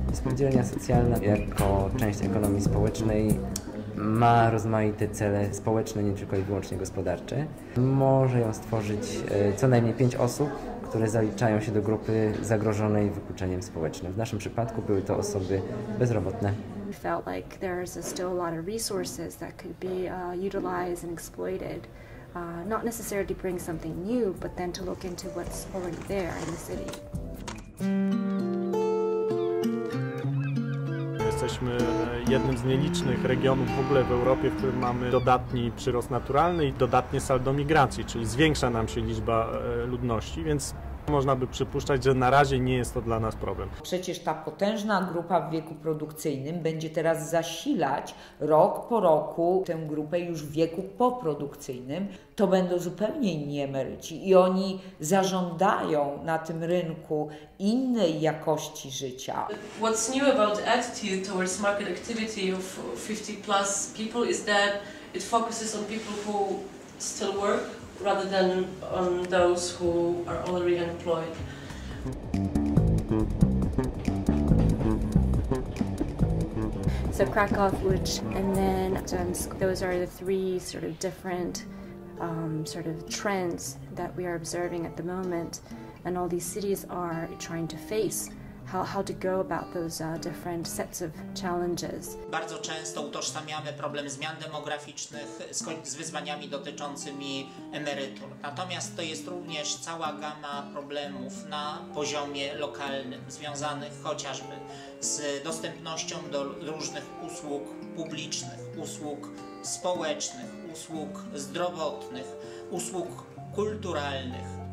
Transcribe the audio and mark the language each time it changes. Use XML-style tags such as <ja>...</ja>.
<pl>Spółdzielnia socjalna jako część ekonomii społecznej ma rozmaite cele społeczne, nie tylko i wyłącznie gospodarcze. Może ją stworzyć co najmniej 5 osób, które zaliczają się do grupy zagrożonej wykluczeniem społecznym. W naszym przypadku były to osoby bezrobotne.</pl> <en>Felt like there's still a lot of resources that could be utilized and exploited. Not necessarily bring something new, but then to look into what's already there in the city.</en> <pl>Jesteśmy jednym z nielicznych regionów w ogóle w Europie, w którym mamy dodatni przyrost naturalny i dodatnie saldo migracji, czyli zwiększa nam się liczba ludności, więc można by przypuszczać, że na razie nie jest to dla nas problem. Przecież ta potężna grupa w wieku produkcyjnym będzie teraz zasilać rok po roku tę grupę już w wieku poprodukcyjnym. To będą zupełnie inni emeryci i oni zażądają na tym rynku innej jakości życia.</pl> <en>What's new about attitude towards market activity of 50 plus people is that it focuses on people who still work, rather than on those who are already employed. So Krakow, Łódź, and then Gdańsk, those are the three sort of different sort of trends that we are observing at the moment, and all these cities are trying to face how to go about those different sets of challenges.</en> <pl>Bardzo często utożsamiamy problem zmian demograficznych z wyzwaniami dotyczącymi emerytur. Natomiast to jest również cała gama problemów na poziomie lokalnym, związanych chociażby z dostępnością do różnych usług publicznych, usług społecznych, usług zdrowotnych, usług kulturalnych.</pl>